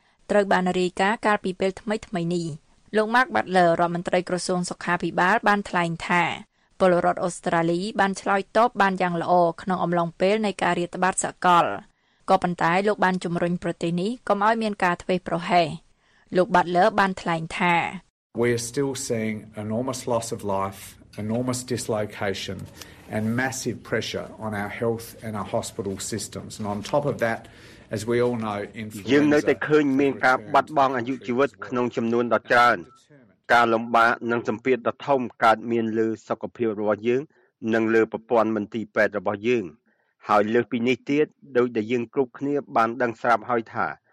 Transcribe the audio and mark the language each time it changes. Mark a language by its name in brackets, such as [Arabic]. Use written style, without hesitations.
[Khmer] ត្រូវបានរាយការណ៍កាលពីពេលថ្មីៗនេះលោក Mark Butler រដ្ឋមន្ត្រីក្រសួងសុខាភិបាលបានថ្លែងថាពលរដ្ឋអូស្ត្រាលីបានឆ្លើយតបបានយ៉ាងល្អក្នុងអំឡុងពេលនៃការរាតត្បាតសកលក៏ប៉ុន្តែលោកបានជំរុញប្រទេសនេះកុំឲ្យមានការធ្វេសប្រហែសលោក Butler បានថ្លែងថា [English] We are still seeing enormous loss of life, enormous dislocation and massive pressure on our health and our hospital systems. And on top of that, as we all know, [Khmer] យើងនៅតែឃើញមានការបាត់បង់អាយុជីវិតក្នុងចំនួនដ៏ច្រើនការលំបាកនិងសម្ពាធដ៏ធំកើតមានលើសុខភាពរបស់យើងនិងលើប្រព័ន្ធមន្ទីរពេទ្យរបស់យើងហើយលើសពីនេះទៀតដោយដែលយើងគ្រប់គ្នាបានដឹងស្រាប់ហើយថា